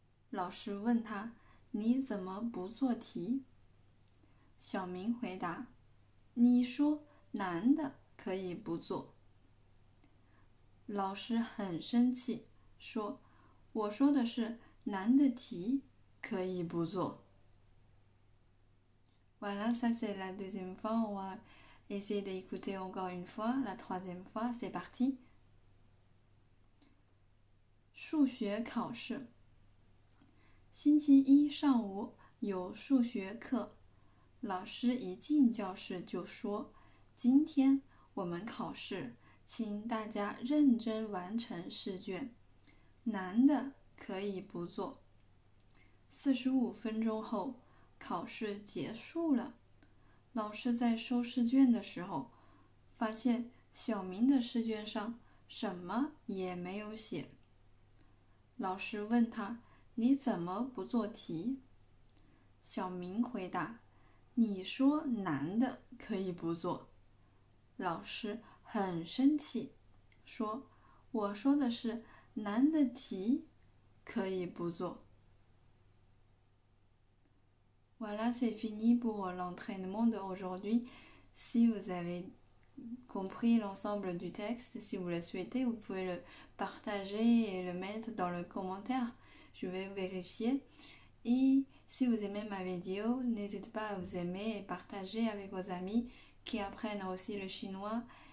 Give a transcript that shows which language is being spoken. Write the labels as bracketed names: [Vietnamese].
[Chinese] 老师问他， 你怎么不做题？小明回答， 你说难的可以不做。老师很生气， 说， 我说的是难的题可以不做。 [French] Voilà, ça c'est la deuxième fois. On va essayer d'écouter encore une fois. La troisième fois, c'est parti. [Chinese] 数学考试。星期一上午有数学课。老师一进教室就说： 今天我们考试， 请大家认真完成试卷， 难的可以不做。 45分钟后， 考试结束了。老师在收试卷的时候， 发现小明的试卷上什么也没有写。老师问他， 你怎么不做题？小明回答， 你说难的可以不做。老师很生气， 说， 我说的是难的题可以不做。 [French] Voilà, c'est fini pour l'entraînement d'aujourd'hui. Si vous avez compris l'ensemble du texte, si vous le souhaitez, vous pouvez le partager et le mettre dans le commentaire. Je vais vérifier. Et si vous aimez ma vidéo, n'hésitez pas à vous aimer et partager avec vos amis qui apprennent aussi le chinois.